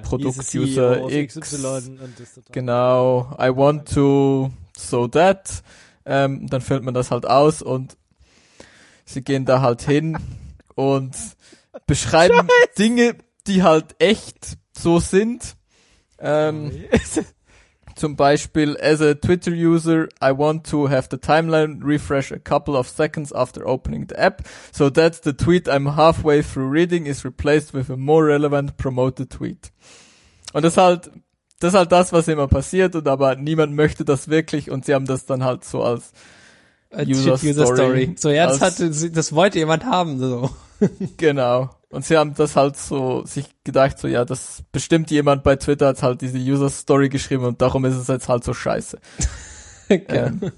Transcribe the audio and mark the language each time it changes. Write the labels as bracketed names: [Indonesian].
[German] Produkt User X. Genau, [English] I want to so that. [German] Dann füllt man das halt aus und sie gehen da halt hin und beschreiben Scheiß. Dinge, die halt echt so sind. Zum Beispiel, [English] as a Twitter user, I want to have the timeline refresh a couple of seconds after opening the app, so that the tweet I'm halfway through reading is replaced with a more relevant promoted tweet. [German] Und das ist halt das, was immer passiert, und aber niemand möchte das wirklich, und sie haben das dann halt so als User Story. So, ja, das wollte jemand haben, so. Genau. Und sie haben das halt so sich gedacht, so, ja, das bestimmt jemand bei Twitter hat halt diese User Story geschrieben und darum ist es jetzt halt so scheiße. Okay.